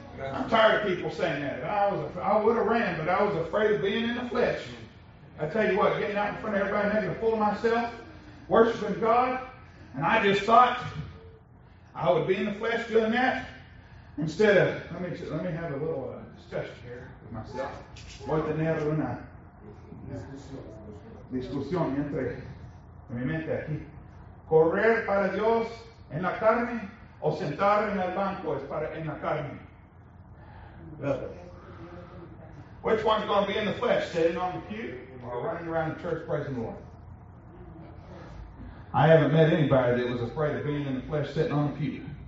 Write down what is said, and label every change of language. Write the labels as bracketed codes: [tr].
[en] I'm tired of people saying that. I would have ran, but I was afraid of being in the flesh. I tell you what, getting out in front of everybody and having to fool myself, worshiping God, and I just thought I would be in the flesh doing that. Instead of, let me have a little discussion here with myself. [es] Voy a tener una discusión entre mi mente aquí. Correr para Dios en la carne o sentar en el banco es para en la carne. [en] Which one's going to be in the flesh, sitting on the pew or running around the church praising the Lord? I haven't met anybody that was afraid of being in the flesh sitting on the pew.